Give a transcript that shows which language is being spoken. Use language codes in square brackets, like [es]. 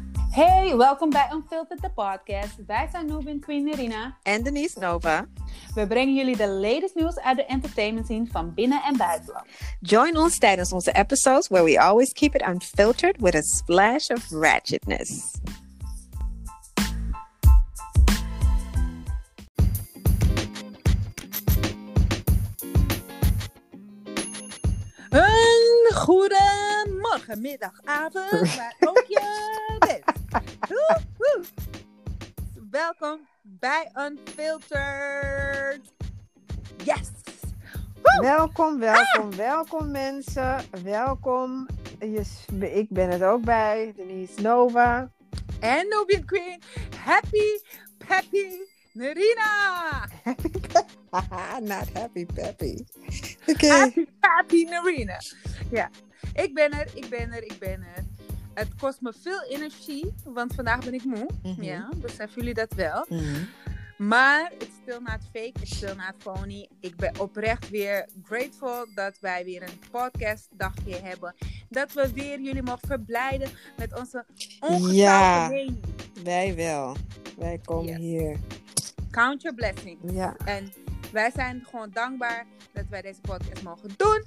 [nl] Hey, welkom bij Unfiltered, de podcast. Wij zijn Noobin Queen Irina. En Denise Nova. We brengen jullie de latest nieuws uit de entertainment scene van binnen en buitenland. [en] Join [nl] ons tijdens onze [en] episodes where we always keep it unfiltered with a splash of ratchetness. [nl] Een goede morgen, middag, avond, waar ook je bent. Welkom bij Unfiltered. Yes! Welkom mensen. Welkom. Yes, ik ben het ook bij Denise Nova. En Nubian Queen. Happy Peppy Nerina. [en] Not Happy Peppy. [nl] Okay. Happy Peppy Nerina. Ja, ik ben er. Het kost me veel energie, want vandaag ben ik moe. Mm-hmm. Ja, beseffen jullie dat wel? Mm-hmm. [en] Maar it's still not fake, it's still not phony. [nl] Ik ben oprecht weer grateful dat wij weer een podcast dagje hebben. Dat we weer jullie mogen verblijden met onze ongetwijfelde. Ja, wij wel. Wij komen hier. [en] Count your blessings. [nl] Ja. En wij zijn gewoon dankbaar dat wij deze podcast mogen doen.